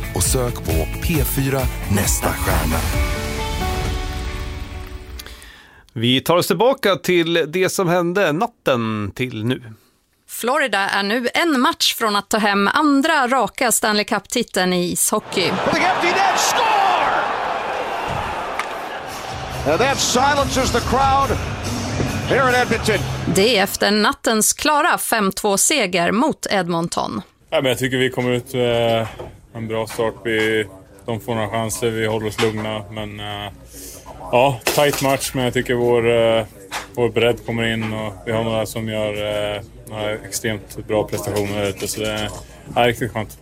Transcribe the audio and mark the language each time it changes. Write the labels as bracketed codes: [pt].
[sv] och sök på P4 Nästa stjärna. Vi tar oss tillbaka till det som hände natten till nu. Florida är nu en match från att ta hem andra raka Stanley Cup-titeln i ishockey. [en] The empty net score! And that silences the crowd here in Edmonton. [sv] Det är efter nattens klara 5-2-seger mot Edmonton. Ja, men jag tycker vi kommer ut med en bra start. De får några chanser, vi håller oss lugna, men... Ja, tight match, men jag tycker vår bredd kommer in och vi har några som gör några extremt bra prestationer ute, så det är riktigt skönt.